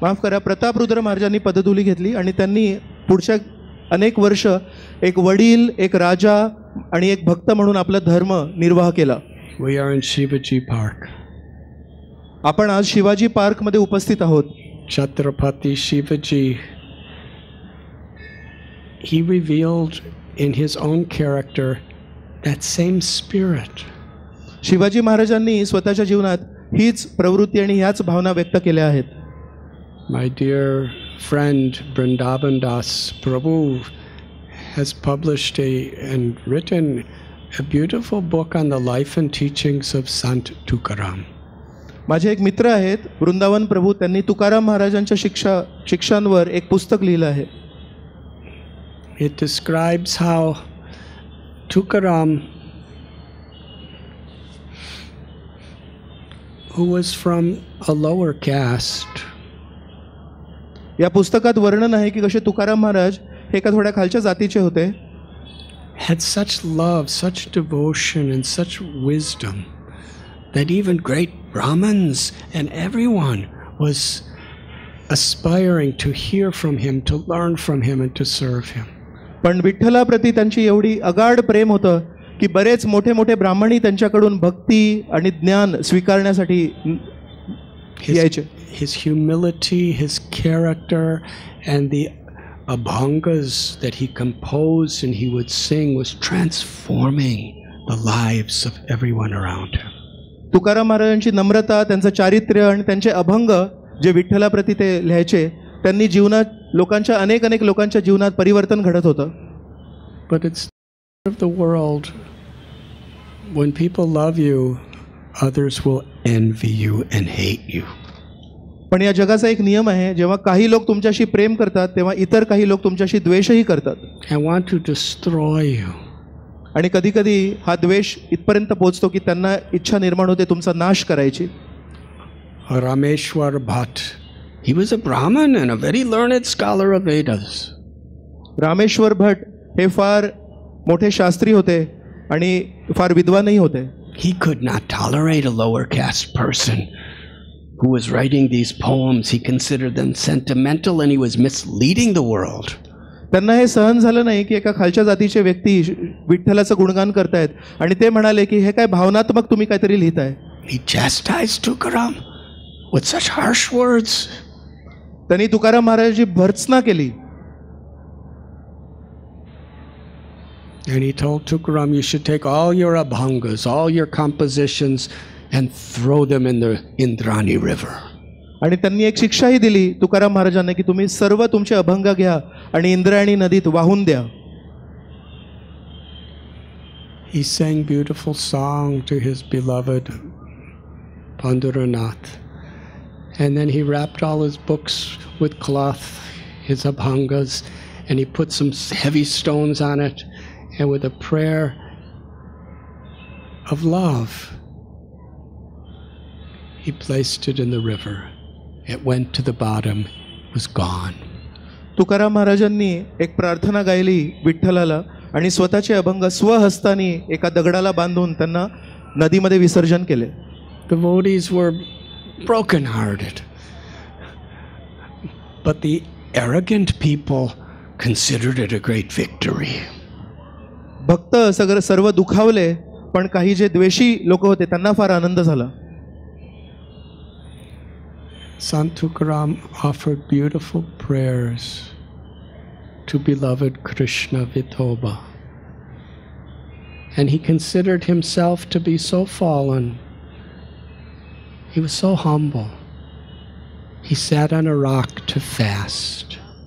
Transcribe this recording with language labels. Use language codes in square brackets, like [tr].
[mr] माफ करा, प्रतापरुद्र महाराजांनी पदधुली घेतली आणि त्यांनी पुढच्या अनेक वर्ष एक वडील, एक राजा आणि एक भक्त म्हणून आपला धर्म निर्वाह केला. [en] We are in Shivaji Park. [mr] आपण आज शिवाजी पार्क मध्ये उपस्थित आहोत. [en] Chhatrapati Shivaji, he revealed in his own character that same spirit. [mr] Shivaji महाराजांनी स्वतःच्या जीवनात हीच प्रवृत्ती आणि ह्याच भावना व्यक्त केल्या आहेत. [en] My dear friend Vrindavan Das Prabhu has published and written a beautiful book on the life and teachings of Sant Tukaram. [mr] माझे एक मित्र आहेत वृंदावन प्रभू, त्यांनी तुकाराम महाराजांच्या शिक्षांवर एक पुस्तक लिहिलं आहे. [en] It describes how Tukaram, who was from a lower caste, [mr] या पुस्तकात वर्णन आहे की कसे तुकाराम महाराज हे एका थोड्या खालच्या जातीचे होते. [en] Had such love, such devotion and such wisdom that even great brahmins and everyone was aspiring to hear from him, to learn from him and to serve him. [mr] पण विठ्ठला प्रती त्यांची एवढी अगाढ प्रेम होतं की बरेच मोठे मोठे ब्राह्मणी त्यांच्याकडून भक्ती आणि ज्ञान स्वीकारण्यासाठी यायचे. [en] His humility, his character and the abhangas that he composed and he would sing was transforming the lives of everyone around him. [mr] Tukaram महाराजांची नम्रता, त्यांचं चारित्र्य आणि त्यांचे अभंग जे विठ्ठलाप्रती ते लिहायचे, त्यांनी जीवनात लोकांच्या अनेक अनेक लोकांच्या जीवनात परिवर्तन घडत होतं. [en] But it's of the world, when people love you, others will envy you and hate you. [mr] पण या जगाचा एक नियम आहे, जेव्हा काही लोक तुमच्याशी प्रेम करतात तेव्हा इतर काही लोक तुमच्याशी द्वेषही करतात. [en] I want to destroy you. [mr] आणि कधी कधी हा द्वेष इथपर्यंत पोहोचतो की त्यांना इच्छा निर्माण होते तुमचा नाश करायची. [en] Rameshwar Bhatt, he was a Brahmin and a very learned scholar of Vedas. [mr] Rameshwar भट हे फार मोठे शास्त्री होते आणि फार विद्वानही होते. [en] He could not tolerate a lower caste person who was writing these poems. He considered them sentimental and he was misleading the world. [mr] त्यांना हे सहन झालं नाही की एका खालच्या जातीचे व्यक्ती विठ्ठलाचं गुणगान करतायत आणि ते म्हणाले की हे काय भावनात्मक तुम्ही काहीतरी लिहिताय. [en] He chastised Tukaram with such harsh words. [mr] त्यांनी तुकाराम महाराजांची भर्त्सना केली. [en] And he told Tukaram, you should take all your abhangas, all your compositions, and throw them in the Indrani river. [mr] आणि त्यांनी एक शिक्षा ही दिली तुकाराम महाराजांना की तुम्ही सर्व तुमचे अभंग घ्या आणि इंद्रायणी नदीत वाहून द्या. [en] He sang beautiful song to his beloved Pandurnath, and then he wrapped all his books with cloth, his abhangas, and he put some heavy stones on it, and with a prayer of love he placed it in the river. It went to the bottom, was gone. [mr] Tukaram महाराजांनी एक प्रार्थना गायली विठ्ठलाला आणि स्वतःचे अभंग स्वहस्ताने एका दगडाला बांधून त्यांना नदीमध्ये विसर्जन केले. [en] The devotees were broken hearted, but the arrogant people considered it a great victory. [mr] भक्त सगळे सर्व दुखावले पण काही जे द्वेषी लोक होते त्यांना फार आनंद झाला. [en] Sant Tukaram offered beautiful prayers to beloved Krishna Vithoba, and he considered himself to be so fallen, he was so humble, he sat on a rock to fast.